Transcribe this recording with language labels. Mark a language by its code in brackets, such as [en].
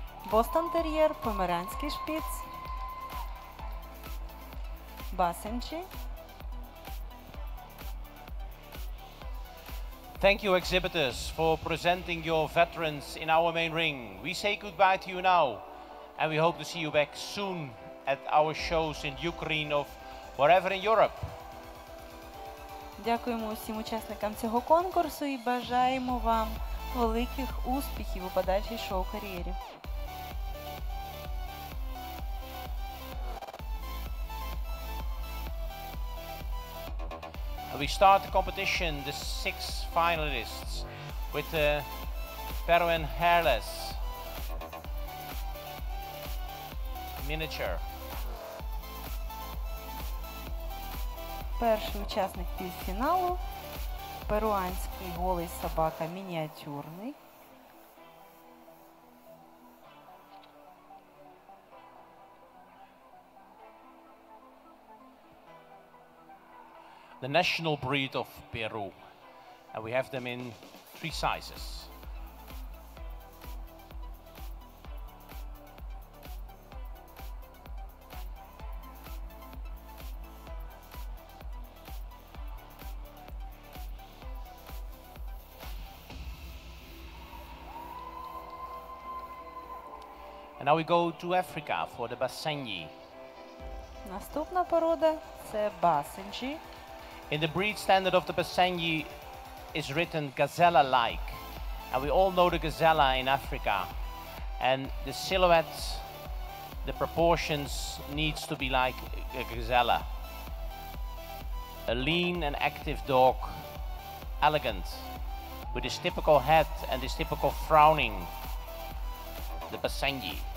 [uk] Бостон Терьєр, Померанський шпіц, Басенчі. [en] Thank you, exhibitors, for presenting your veterans in our main ring. We say goodbye to you now, and we hope to see you back soon at our shows in Ukraine or wherever in Europe. [uk] Дякуємо усім учасникам цього конкурсу і бажаємо вам великих успіхів у подальшій шоу-кар'єрі. [en] We start the competition, the six finalists, with Peruan Hairless Miniature. [uk] Перший учасник півфіналу – перуанський голий собака мініатюрний. [en] The national breed of Peru, and we have them in three sizes. And now we go to Africa for the Basenji. [uk] Наступна порода це Басенджі. [en] In the breed standard of the Basenji is written gazella-like, and we all know the gazella in Africa, and the silhouette, the proportions needs to be like a gazella. A lean and active dog, elegant, with his typical head and his typical frowning, the Basenji.